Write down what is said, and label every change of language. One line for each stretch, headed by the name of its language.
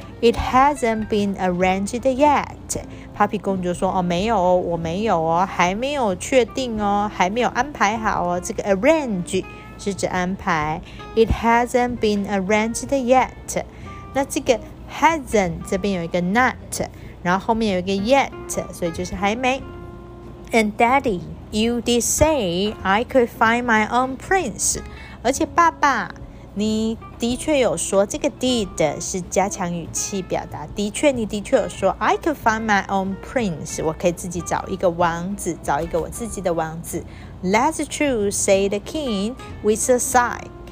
English: It hasn't been arranged yet.
Chinese: Poppy 公主说，没有，我没有哦，还没有确定哦，还没有安排好哦。这个 arrange 是指安排。
English: It hasn't been arranged yet.
Chinese: 那这个 hasn't 这边有一个 not， 然后后面有一个 yet， 所以就是还没。
English: And Daddy, you did say I could find my own prince.
Chinese: 而且爸爸，你的确有说这个 did 是加强语气表达。的确，你的确有说
English: I could find my own prince.
Chinese: 我可以自己找一个王子，找一个我自己的王子。
English: That's true, said the king with a sigh.